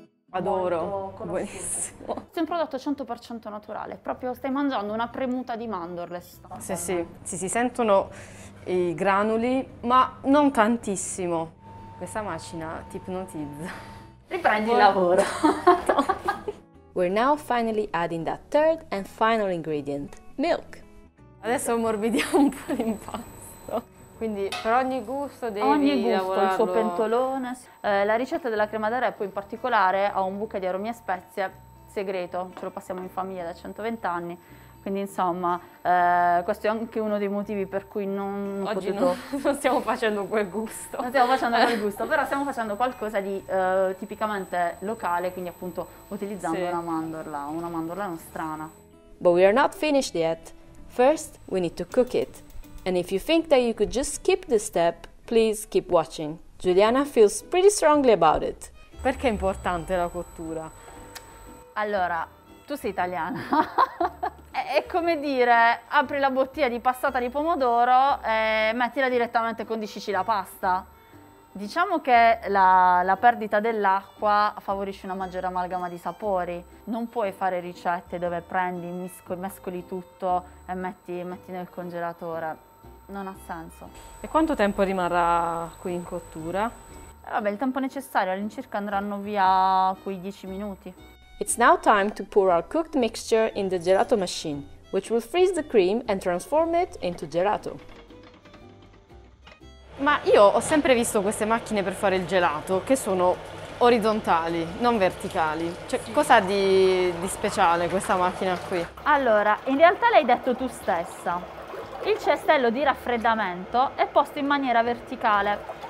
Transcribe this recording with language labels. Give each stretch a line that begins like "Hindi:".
Italian: Adoro, buonissimo. C'è un prodotto 100% naturale, proprio stai mangiando una premuta di mandorle. Sì, sì, si sentono i granuli, ma non tantissimo. Questa macina ti ipnotizza. Riprendi il lavoro.
English: We're now finally adding that third and final ingredient, milk.
Italian: Adesso ammorbidiamo un po' l'impasto. Quindi per ogni gusto devi lavorarlo. Ogni gusto, lavorarlo. Il suo pentolone. La ricetta della crema d'arè poi in particolare ha un bouquet di aromi e spezie segreto, ce lo passiamo in famiglia da 120 anni. Quindi insomma, questo è anche uno dei motivi per cui non ho oggi potuto... non stiamo facendo quel gusto. Non stiamo facendo quel gusto, però stiamo facendo qualcosa di tipicamente locale, quindi appunto utilizzando una mandorla nostrana.
English: But we are not finished yet. First, we need to cook it. And if you think that you could just skip this step, please keep watching. Giuliana feels pretty strongly about it.
Italian: Perché è importante la cottura? Allora, tu sei italiana. È come dire, apri la bottiglia di passata di pomodoro e mettila direttamente e condiscici la pasta. Diciamo che la perdita dell'acqua favorisce una maggiore amalgama di sapori. Non puoi fare ricette dove prendi, mescoli tutto e metti nel congelatore. Non ha senso. E quanto tempo rimarrà qui in cottura? Vabbè, il tempo necessario, all'incirca andranno via quei 10 minuti.
English: It's now time to pour our cooked mixture in the gelato machine, which will freeze the cream and transform it into gelato.
Italian: Ma io ho sempre visto queste macchine per fare il gelato, che sono orizzontali, non verticali. Cioè, cosa di speciale questa macchina qui? Allora, in realtà l'hai detto tu stessa. Il cestello di raffreddamento è posto in maniera verticale.